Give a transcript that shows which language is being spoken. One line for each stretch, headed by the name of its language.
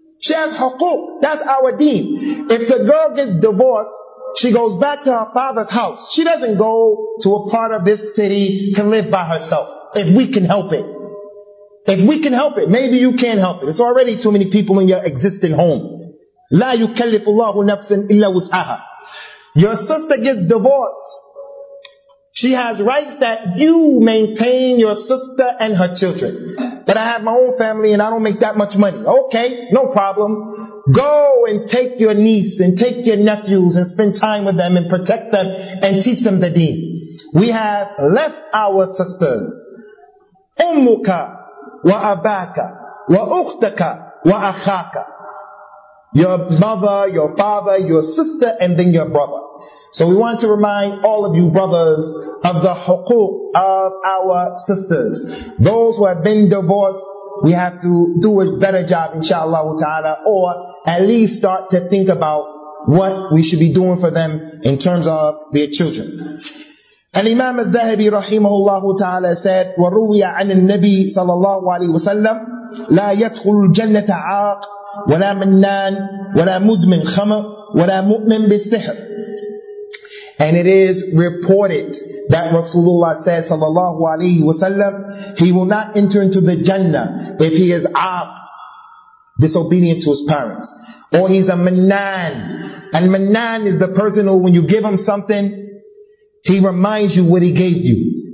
English: She has huquq. That's our deen. If the girl gets divorced, she goes back to her father's house. She doesn't go to a part of this city to live by herself, if we can help it. If we can help it, maybe you can help it. It's already too many people in your existing home.
Arabic: لا يكلف الله نفسا إلا وسعها.
English: Your sister gets divorced. She has rights that you maintain your sister and her children. But I have my own family and I don't make that much money. Okay, no problem. Go and take your niece and take your nephews and spend time with them and protect them and teach them the deen. We have left our sisters.
Arabic: أمك وأباك وأختك وأخاك.
English: Your mother, your father, your sister, and then your brother. So we want to remind all of you brothers of the huquq of our sisters. Those who have been divorced, we have to do a better job inshallah ta'ala, or at least start to think about what we should be doing for them in terms of their children. Al-Imam al-Dhahabi rahimahullah ta'ala said,
Arabic: وَرُوِيَ عَنِ النَّبِي صَلَى اللَّهُ عَلَيْهِ وَسَلَّمْ لَا يَدْخُلُ الْجَنَّةَ عَاقٍ وَلَا مَنَّانٍ وَلَا مُدْمِنْ خَمَرٍ وَلَا مُؤْمِنْ بِالسِّحْرِ.
English: And it is reported that Rasulullah says, sallallahu alayhi wa sallam, he will not enter into the Jannah if he is disobedient to his parents. Or he's a manan. And manan is the person who, when you give him something, he reminds you what he gave you.